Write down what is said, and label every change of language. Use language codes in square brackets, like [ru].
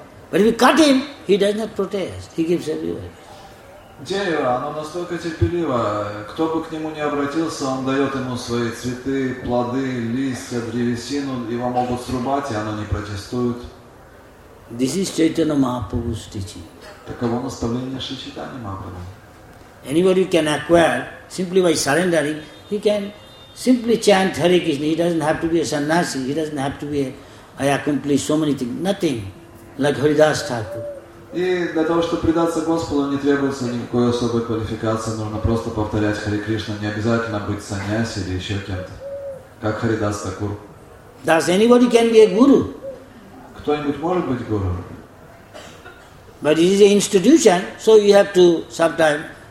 [en] But if you cut him, he does not protest. He gives everybody. [ru] Дерево, оно настолько терпеливо. Кто бы к нему ни обратился, он дает ему свои цветы, плоды, листья, древесину. Его могут срубать, и оно не протестует. [en] This is Chaitanya Mahaprabhu's teaching. [ru] Таково наставление Шри Чайтаньи Махапрабху. [en] Anybody can acquire simply by surrendering. He can simply chant Hare Krishna. He doesn't have to be a sannyasi. He doesn't have to be I accomplish so many things. Nothing like Haridas Thakur. [ru] И для того, чтобы предаться Господу, не требуется никакой особой квалификации. Нужно просто повторять Хари Кришна. Не обязательно быть сannyasi или еще кем-то, как Haridas Thakur. [en] Does anybody can be a guru? [ru] Кто-нибудь может быть гуру? [en] But it is an institution, so you have to sometimes.